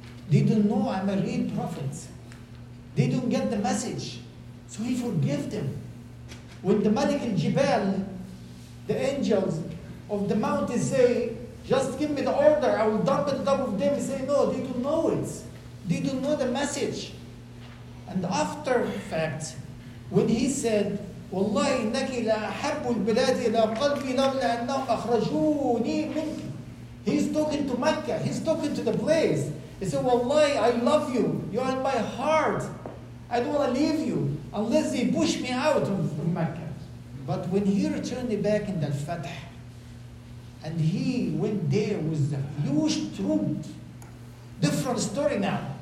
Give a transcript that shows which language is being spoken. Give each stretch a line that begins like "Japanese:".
English: They don't know I'm a real prophet. They don't get the message. So he forgave them. When the Malik al-Jibal, the angels of the mountain say, just give me the order, I will dump it on top of them. He say, no, they don't know it. They don't know the message. And after fact, when he said,
Arabic: وَاللَّهِ إِنَّكِ لَأَحَبُّ الْبِلَادِ إِلَىٰ قَلْبِي لَوْلَا أَنَّهُمْ أَخْرَجُونِي مِنْكِ.
English: He's talking to Mecca. He's talking to the place. He said, وَاللَّهِ I love you. You are in my heart. I don't want to leave you unless they push me out of Mecca. But when he returned back in that Fath, and he went there with a huge troop, different story now.